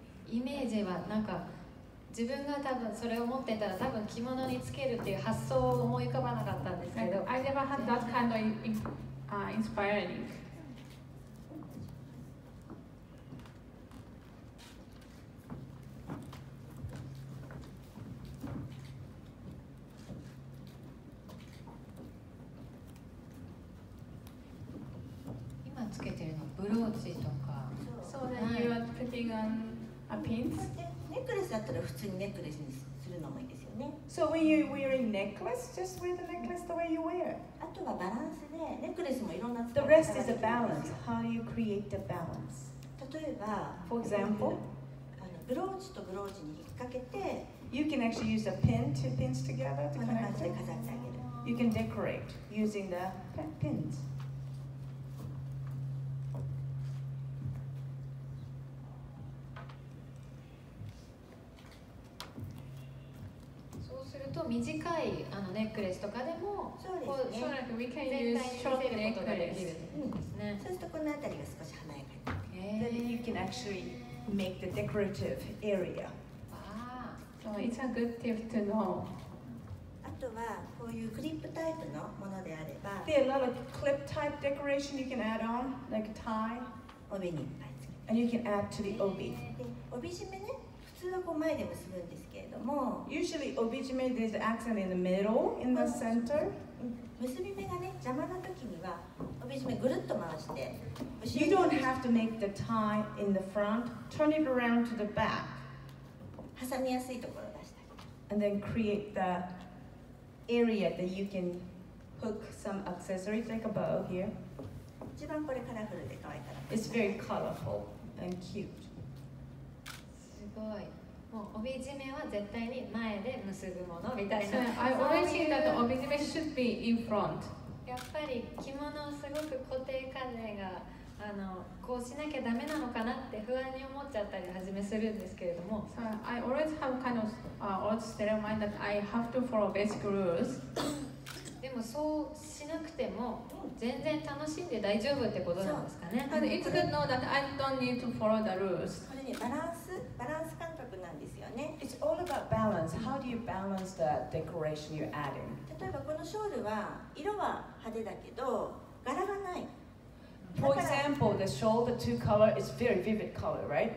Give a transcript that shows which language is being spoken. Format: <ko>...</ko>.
<ja>イメージはなんか自分が多分それを持ってたら多分着物につけるっていう発想を思い浮かばなかったんですけど。</ja> <en>I never had that kind of inspiring.</en> <ja>つけてるのブローチとか、</ja> <en>so then you are putting on a pins.</en> <ja>Necklace だったら普通にネックレスにするのもいいですよね。</ja> <en>So when you wearing necklace, just wear the necklace the way you wear.</en> <ja>あとはバランスで、ネックレスもいろんな使い方ができるんですよ。</ja> <en>The rest is a balance. How do you create the balance?</en> <ja>例えば、</ja> <en>For example,</en> <ja>ブローチとブローチに引っ掛けて、</ja> <en>You can actually use a pin, two pins together to connect</en> <ja>it. 飾ってあげる。</ja> <en>You can decorate using the pins.</en> <ja>短いあのネックレスとかでも、そうですね。そうなんか</ja> <en>we can use short necklace。</en> <ja>うん。そうするとこの辺りが少し華やかに。</ja> <en>Then you can actually make the decorative area. So it's a good tip to know.</en> <ja>あとはこういうクリップタイプのものであれば、</ja> <en>There are a lot of clip type decoration you can add on, like a tie.</en> <ja>帯にいっぱいつける。</ja> <en>And you can add to the 帯。</en> <ja>帯締めね。普通はこう前で結ぶんですけれども、</ja> <en>usually 帯締めで accent in the middle in the center。</en> <ja>結び目がね邪魔な時には帯締めぐるっと回して、</ja> <en>you don't have to make the tie in the front, turn it around to the back。</en> <ja>挟みやすいところを出したり、</ja> <en>and then create the area that you can hook some accessories like a bow here。</en> <ja>一番これカラフルで可愛いから。</ja> <en>It's very colorful and cute.</en> <ja>すごい。もう帯締めは絶対に前で結ぶものみたいな。</ja> <en>I always think that 帯締め should be in front。</en> <ja>やっぱり着物をすごく固定観念が、あのこうしなきゃダメなのかなって不安に思っちゃったり始めするんですけれども。</ja> <en>So, I always have kind of odd state of mind that I have to follow basic rules 。</en> <ja>でもそうしなくても全然楽しんで大丈夫ってことなんですかね。</ja> <en>And it's good to know that I don't need to follow the rules。</en> <ja>これねバランス感覚なんですよね。</ja> <en>It's all about balance. How do you balance the decoration you're adding?</en> <ja>例えばこのショールは色は派手だけど柄がない。</ja> <en>For example, the shawl, the two color is very vivid color, right?</en>